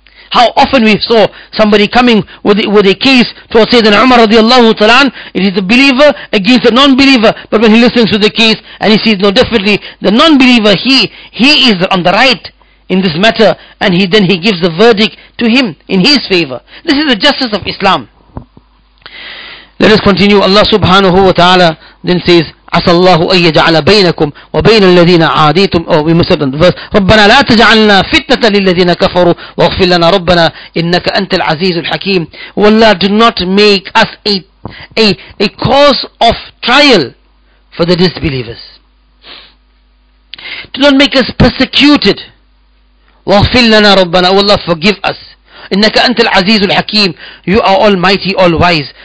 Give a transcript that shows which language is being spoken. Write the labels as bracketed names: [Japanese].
[English] How often we saw somebody coming with a case towards Sayyidina Umar radiallahu ta'ala, it is a believer against a non-believer, but when he listens to the case and he sees, no, definitely the non-believer, he is on the right in this matter, and he gives the verdict to him in his favor. This is the justice of Islam. Let us continue. Allah subhanahu wa ta'ala then says, [Arabic] عَسَى اللَّهُ أَن يَجْعَلَ بَيْنَكُمْ وَبَيْنَ الَّذِينَ عَادَيْتُمْ رَبَّنَا لَا تَجْعَلْنَا فِتْنَةً لِلَّذِينَ كَفَرُوا وَاغْفِرْ لَنَا رَبَّنَا إِنَّكَ أَنْتَ الْعَزِيزُ الْحَكِيمُ. [English] Allah, do not make us a cause of trial for the disbelievers. Do not make us persecuted. [Arabic] وَاغْفِرْ لَنَا رَبَّنَا. [English] Oh Allah, forgive us. [Arabic] إِنَّكَ أَنْتَ الْعَزِيزُ الْحَكِيمُ. [English] You are almighty, all wise.